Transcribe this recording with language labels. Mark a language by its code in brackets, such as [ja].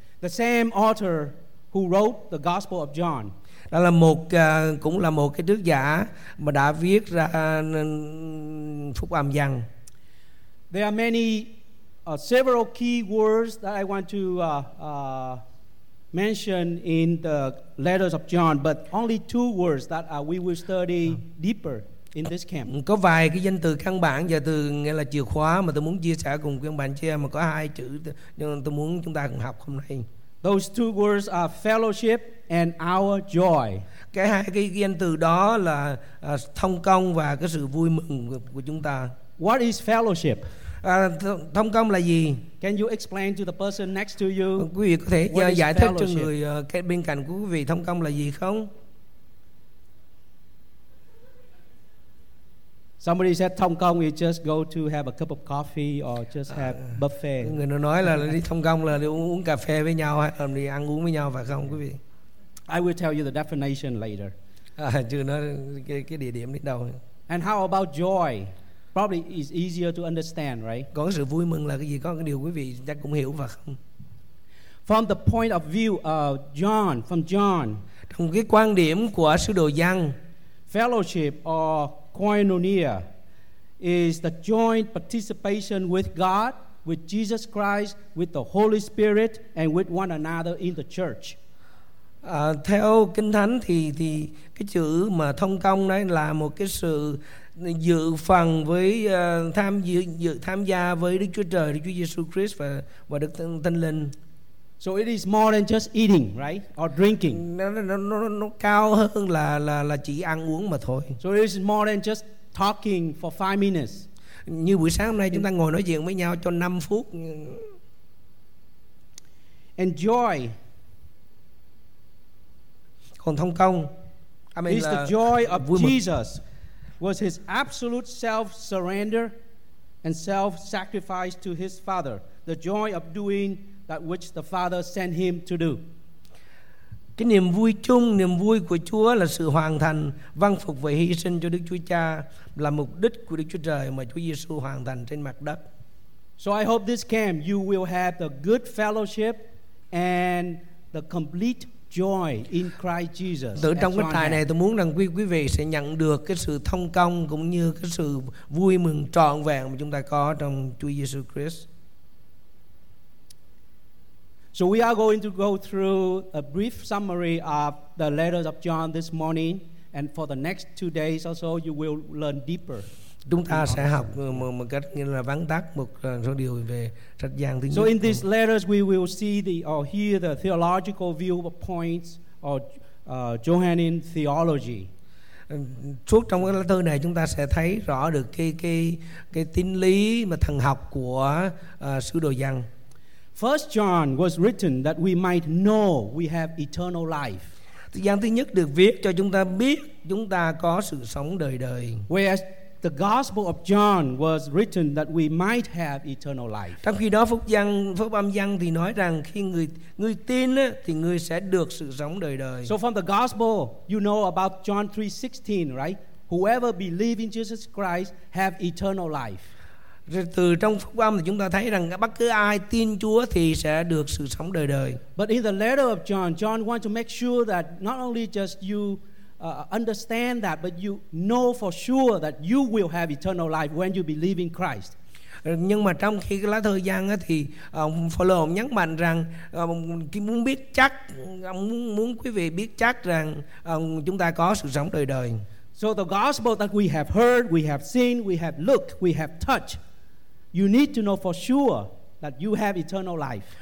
[en] The same author who wrote the Gospel of John. [vi] Đó là một cũng là một cái tác giả mà đã viết ra Phúc Âm Giăng. [en] There are many several key words that I want to mention in the letters of John, but only two words that we will study deeper in this camp. [vi] Có vài cái danh từ căn bản và từ nghĩa là chìa khóa mà tôi muốn chia sẻ cùng quý ông bạn chị em, mà có hai chữ nhưng tôi muốn chúng ta cùng học hôm nay. [en] Those two words are fellowship and our joy. [vi] Cái hai cái danh từ đó là thông công và cái sự vui mừng của chúng ta. [en] What is fellowship? [vi] Thông công là gì? [en] Can you explain to the person next to you? [vi] Quý vị có thể giải thích cho người bên cạnh của quý vị thông công là gì không? [en] Somebody said thông công is just go to have a cup of coffee or just have buffet. [vi] Người nói là đi thông công là đi uống cà phê với nhau hay đi ăn uống với nhau phải không quý vị? [en] I will tell you the definition later. [vi] Chưa nói cái địa điểm đi đâu. [en] And how about joy? Probably is easier to understand, right? [vi] Còn sự vui mừng là cái gì? Có cái điều quý vị chắc cũng hiểu phải không? [en] From the point of view of John, [vi] trong cái quan điểm của sứ đồ Giăng, [en] fellowship or koinonia is the joint participation with God, with Jesus Christ, with the Holy Spirit, and with one another in the church. [vi] Theo Kinh Thánh thì cái chữ mà thông công đấy là một cái sự dự phần với tham gia với Đức Chúa Trời, Đức Chúa Jesus Christ và Đức Thánh Linh. [en] So it is more than just eating, right? Or drinking. [vi] Nó cao hơn là chỉ ăn uống mà thôi. [en] So it is more than just talking for 5 minutes. [vi] Như buổi sáng hôm nay chúng ta ngồi nói chuyện với nhau cho 5 phút. [en] Enjoy. [vi] Còn thông công, [en] I mean, is the joy of Jesus was his absolute self-surrender and self-sacrifice to his Father. The joy of doing that which the Father sent him to do. [vi] Cái niềm vui chung, niềm vui của Chúa là sự hoàn thành, vâng phục và hy sinh cho Đức Chúa Cha, là mục đích của Đức Chúa Trời mà Chúa Giêsu hoàn thành trên mặt đất. [en] So I hope this camp you will have the good fellowship and the complete joy in Christ Jesus. [vi] Từ trong cái trại này tôi muốn rằng quý vị sẽ nhận được cái sự thông công cũng như cái sự vui mừng trọn vẹn mà chúng ta có trong Chúa Giêsu Christ. [en] So we are going to go through a brief summary of the letters of John this morning, and for the next 2 days or so, you will learn deeper. [vi] Chúng ta sẽ học một cách như là vắn tắt một số điều về sách Giăng thứ nhất. [en] So in these letters, we will see the or hear the theological view of points or Johannine theology. [vi] Suốt trong cái lá thư này, chúng ta sẽ thấy rõ được cái tín lý mà thần học của sứ đồ Giăng. [en] First John was written that we might know we have eternal life. [vi] Giăng thứ nhất được viết cho chúng ta biết chúng ta có sự sống đời đời. [en] Whereas the Gospel of John was written that we might have eternal life. [vi] Trong khi đó phúc âm Giăng thì nói rằng khi người tin á thì người sẽ được sự sống đời đời. [en] So from the Gospel, you know about John 3:16, right? Whoever believes in Jesus Christ have eternal life. [vi] Từ trong phúc âm thì chúng ta thấy rằng bất cứ ai tin Chúa thì sẽ được sự sống đời đời. [en] But in the letter of John, John wants to make sure that not only just you understand that, but you know for sure that you will have eternal life when you believe in Christ. [vi] Nhưng mà trong khi cái lá thư Giăng thì Phaolô nhấn mạnh rằng muốn quý vị biết chắc rằng chúng ta có sự sống đời đời. [en] So the gospel that we have heard, we have seen, we have looked, we have touched, you need to know for sure that you have eternal life.